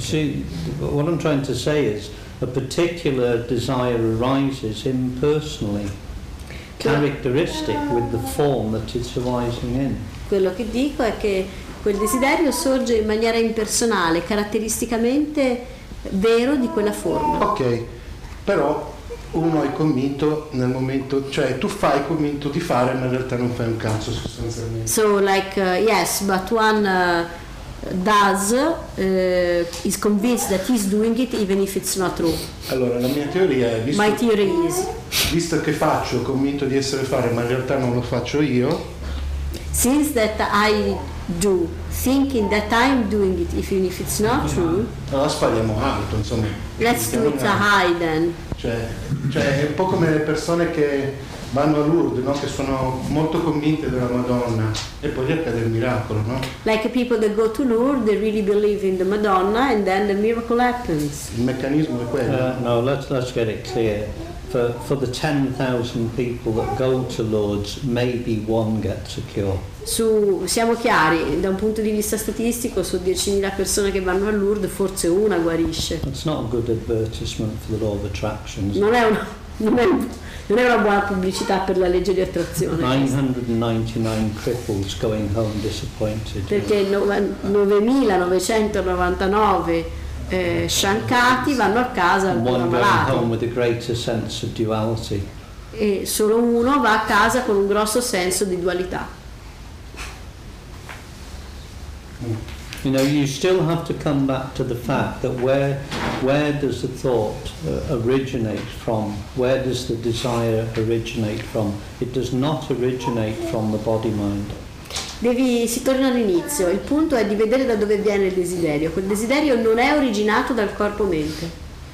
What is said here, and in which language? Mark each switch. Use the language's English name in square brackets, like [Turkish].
[English] See, what I'm trying to say is a particular desire arises impersonally, characteristic with the form that it's arising in. [Italian] Quello che dico è che quel desiderio sorge in maniera impersonale, caratteristicamente vero di quella forma. Ok, però uno è convinto nel momento, cioè tu fai convinto di fare, ma in realtà non fai un cazzo sostanzialmente. [English] So like, yes, but one does, is convinced that he's doing it even if it's not true. [Italian] Allora, la mia teoria è, visto che faccio convinto di essere fare, ma in realtà non lo faccio io, [English] since that I do, thinking that I'm doing it, even if it's not true. [Italian] Allora spariamo alto, insomma. [English] Let's do it high then. [Italian] Cioè, è un po' come le persone che vanno a Lourdes, no? Che sono molto convinte della Madonna, e poi gli accade il miracolo, no? [English] Like the people that go to Lourdes, they really believe in the Madonna, and then the miracle happens. [Italian] Il meccanismo è quello. [English] No, let's get it clear. For the 10,000 people that go to Lourdes, maybe one gets a cure. [Italian] Su, siamo chiari, da un punto di vista statistico, su 10,000 persone che vanno a Lourdes, forse una guarisce. [English] It's not a good advertisement for the law of attraction. [Italian] Non è una buona pubblicità per la legge di attrazione. [English] 999 cripples going home disappointed. [Italian] Perché 9,999 sciancati vanno a casa con un [English] home with a greater sense of duality. [Italian] E solo uno va a casa con un grosso senso di dualità. [English] You know, you still have to come back to the fact that where does the thought originate from? Where does the desire originate from? It does not originate from the body mind. [Italian] Si torna all'inizio. Il punto è di vedere da dove viene il desiderio. Quel desiderio non è originato dal corpo mente.